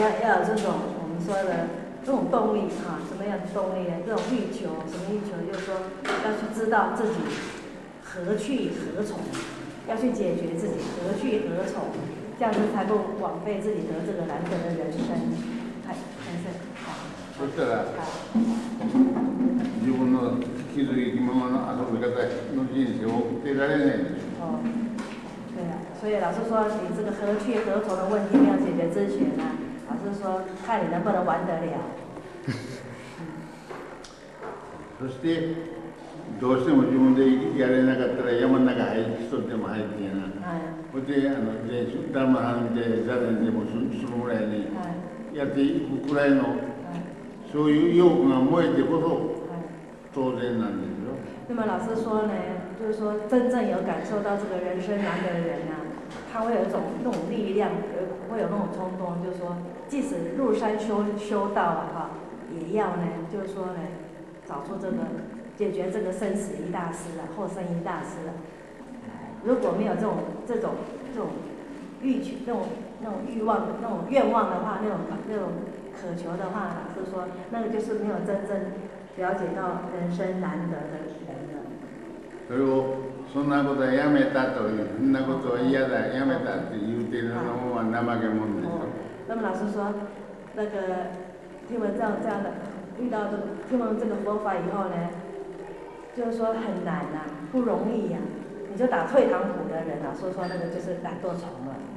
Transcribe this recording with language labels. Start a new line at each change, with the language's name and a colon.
Chinese: 要有这种我们说的这种动力，什么样的动力呢？这种欲求，什么欲求？就是说要去知道自己何去何从，要去解决自己何去何从，这样子才不枉费自己得这个难得的人生。哎，先生，好。
Japanese: そしたら、自分の気づいたままの遊び方の人生を送っていられないんです。
Chinese: 哦，对啊，所以老师说你这个何去何从的问题要解决之前呢，老师说看你能不能玩得了。
Japanese: そして。どうしても自分でやれなかったら山の中入って、人でも入ってやな。ほいで、全身、ダムハンで、ザレンでもするぐらいに、やっていくくらいの、そういう意欲が燃えてこそ、当然なんですよ。
Chinese: 那么老师说呢，就是说真正有感受到这个人生难得的人啊，他会有那种力量，会有那种冲动，就是说即使入山修道了哈，也要呢，就是说呢，找出这个。解决这个生死一大事了，后生一大事了。如果没有这种欲求、那种欲望、那种愿望的话，那种渴求的话，老师说，那个就是没有真正了解到人生难得的人了。
Japanese: それをそんなことはやめたという、そんなことは嫌だ、やめたって言うてるのは怠け者でしょ。
Chinese: 那么老师说，那个听闻这样的，遇到这个、听闻这个佛法以后呢？就是说很难呐、啊，不容易呀、啊，你就打退堂鼓的人啊，说那个就是懒惰虫了。